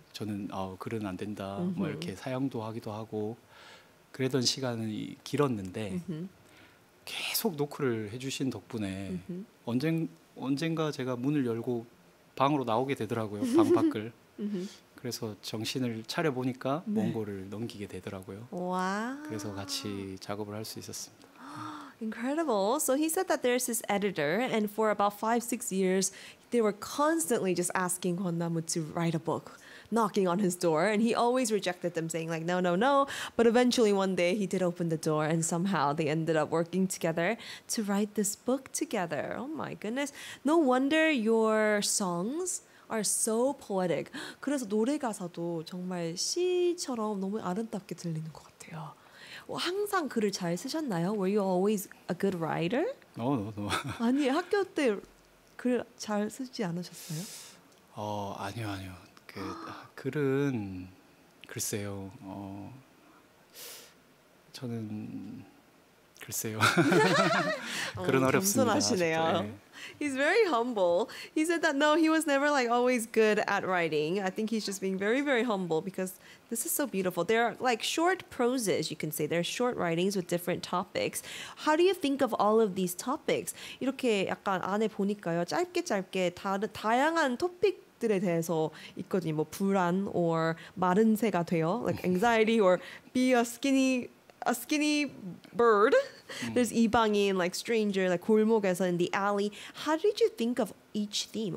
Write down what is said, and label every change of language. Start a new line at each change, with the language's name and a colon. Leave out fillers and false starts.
Korean: 저는 글은 안 된다. 뭐 이렇게 사양도 하기도 하고 그러던 시간이 길었는데 계속 노크를 해주신 덕분에 언젠가 제가 문을 열고 방으로 나오게 되더라고요. 방 밖을. 그래서 정신을 차려보니까 네. 몽골을 넘기게 되더라고요. 와. 그래서 같이 작업을 할 수 있었습니다.
English: Incredible. So he said that there's his editor and for about 5-6 years they were constantly just asking 권나무 to write a book. Knocking on his door and he always rejected them saying like no. But eventually one day he did open the door and somehow they ended up working together to write this book together. Oh my goodness. No wonder your songs are so poetic.
Korean: 그래서 노래 가사도 정말 시처럼 너무 아름답게 들리는 것 같아요. 항상 글을 잘 쓰셨나요?
English: Were you always a good writer? No.
Korean: 아니, 학교 때 글 잘 쓰지 않으셨어요? 아니요. 그 글은 글쎄요. 저는 글쎄요. 그런 어렵습니다. 겸손하시네요.
English: He's very humble. He said that no, he was never like always good at writing. I think he's just being very, very humble because this is so beautiful. There are like short proses, you can say. There are short writings with different topics. How do you think of all of these topics?
Korean: 이렇게 약간 안에 보니까요. 짧게 다양한 토픽 들에 대해서 있거든요. 뭐 불안 or 마른 새가 돼요.
English: Like anxiety or be a skinny bird. There's 이방인, like stranger, like 골목에서 in the alley. How did you think of each theme?